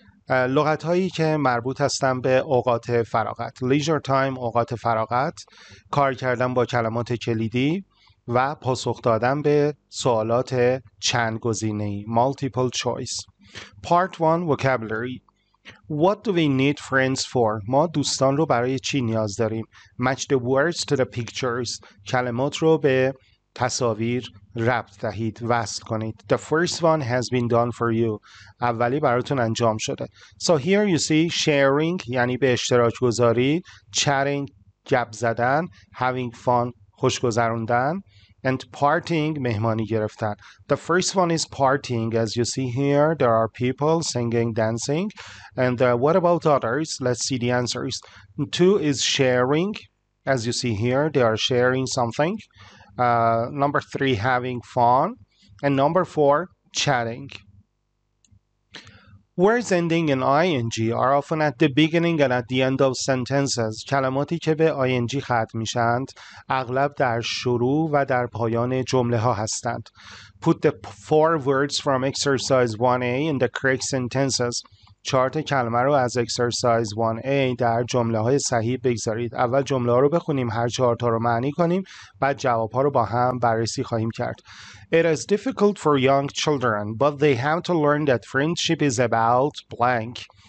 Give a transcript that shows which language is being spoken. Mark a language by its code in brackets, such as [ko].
[fa] لغت هایی که مربوط هستن به اوقات فراغت، [en] leisure time، [fa] اوقات فراغت، کار کردن با کلمات کلیدی و پاسخ دادن به سوالات چند گزینه‌ای، [en] multiple choice. Part 1 vocabulary. What do we need friends for? [fa] ما دوستان رو برای چی نیاز داریم؟ [en] Match the words to the pictures. [fa] کلمات رو به تصاویر ربط دهید، وصل کنید. [en] The first one has been done for you. [fa] اولی براتون انجام شده. [en] So here you see sharing [fa] یعنی به اشتراک گذاری، chatting گپ زدن، [en] having fun [fa] خوش گذروندن، [en] and partying [fa] مهمانی گرفتن. [en] The first one is partying. As you see here, there are people singing, dancing. And what about others? Let's see the answers. Two is sharing. As you see here, they are sharing something. Number 3, having fun. And number 4, chatting. Words ending in ing are often at the beginning and at the end of sentences. [fa] کلماتی که به ing ختم میشند اغلب در شروع و در پایان جمله ها هستند. [en] Put the 4 words from exercise 1A in the correct sentences. [fa] 4 کلمه رو از exercise 1A در جمله های صحیح بگذارید. اول جمله ها رو بخونیم، هر 4 تا رو معنی کنیم، بعد جواب ها رو با هم بررسی خواهیم کرد. [en] It is difficult for young children, but they have to learn that friendship is about blank.